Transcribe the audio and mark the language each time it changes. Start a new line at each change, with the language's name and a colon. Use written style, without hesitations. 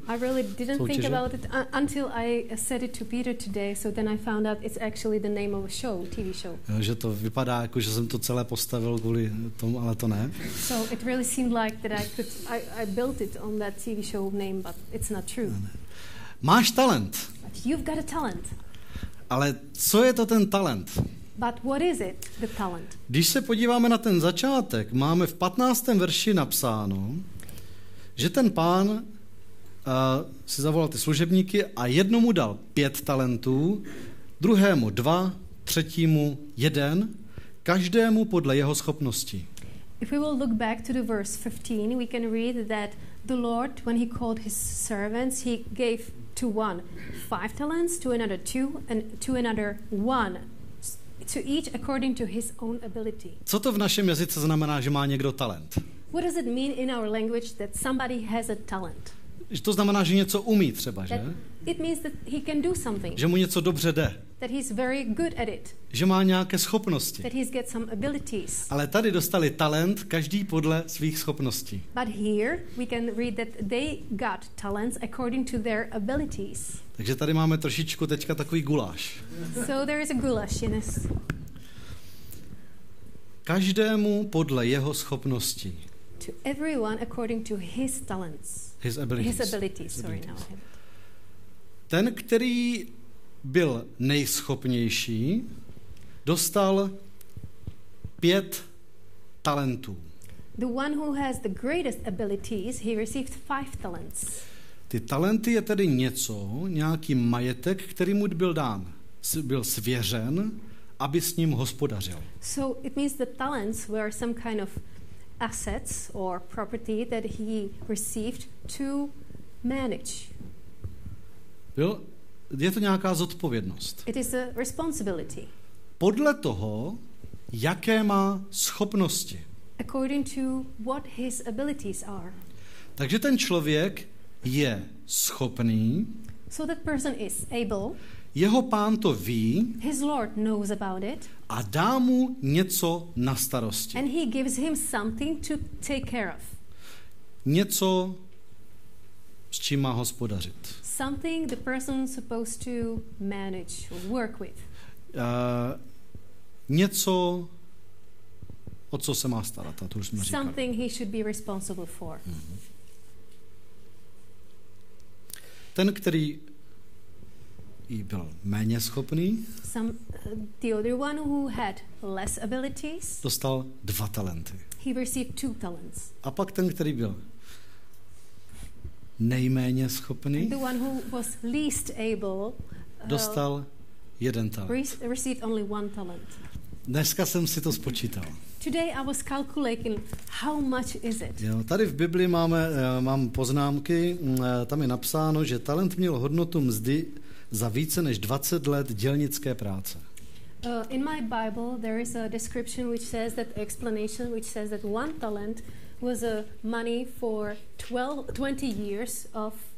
English: I really didn't think about it until I said it to Peter today, so then I found out it's actually the name of a show, TV show.
Czech: Jo, že to vypadá jako, že jsem to celé postavil kvůli tomu, ale to ne.
English: So it really seemed like that I built it on that TV show name, but it's not true.
Czech: Ne. Máš talent.
English: But you've got a talent.
Czech: Ale co je to ten talent?
English: But what is it, the talent?
Czech: Když se podíváme na ten začátek, máme v 15. verši napsáno, že ten pán si zavolal ty služebníky a jednomu dal 5 talentů, druhému 2, třetímu 1, každému podle jeho schopnosti.
English: If we will look back to the verse 15, we can read that the Lord, when he called his servants, he gave to one 5 talents, to another 2, and to another 1. To each according to his own ability.
Czech: Co to v našem jazyce znamená, že má někdo talent?
English: What does it mean in our language that somebody has a talent?
Czech: Že to znamená, že něco umí třeba, že?
English: It means that he can do something.
Czech: Že mu něco dobře jde.
English: That he's very good at it.
Czech: Že má nějaké schopnosti.
English: That he's got some abilities.
Czech: Ale tady dostali talent každý podle svých schopností.
English: But here we can read that they got talents according to their abilities.
Czech: Takže tady máme trošičku teďka takový guláš.
English: So there is a goulash in this.
Czech: Každému podle jeho schopností.
English: To everyone according to his talents. His abilities.
Czech: Ten, který byl nejschopnější, dostal 5 talentů.
English: The one who has the greatest abilities, he received 5 talents.
Czech: Ty talenty je tedy něco, nějaký majetek, který mu byl dán, byl svěřen, aby s ním hospodařil.
English: So it means the talents were some kind of assets or property that he received to manage.
Czech: Byl, je to nějaká zodpovědnost.
English: It is a responsibility.
Czech: Podle toho, jaké má schopnosti.
English: According to what his abilities are.
Czech: Takže ten člověk je schopný.
English: So that person is able.
Czech: Jeho pán to ví.
English: His lord knows about it.
Czech: A dá mu něco na starosti.
English: And he gives him something to take care of.
Czech: Něco, s čím má hospodařit.
English: Something the person is supposed to manage or work with.
Czech: Něco, o co se má starat, a to už jsme říkali.
English: Something he should be responsible for.
Czech: Ten, který jí byl méně schopný,
English: the other one who had less abilities,
Czech: dostal 2 talenty.
English: He received 2 talents.
Czech: A pak ten, který byl nejméně schopný,
English: the one who was least able,
Czech: dostal 1 talent.
English: Received only 1 talent.
Czech: Dneska jsem si to spočítal.
English: Today I was calculating how much is it.
Czech: Jo, tady v Biblii máme, mám poznámky, tam je napsáno, že talent měl hodnotu mzdy za více než 20 let dělnické práce.
English: In my Bible there is a description which says that explanation which says that one talent was a money for 20 years of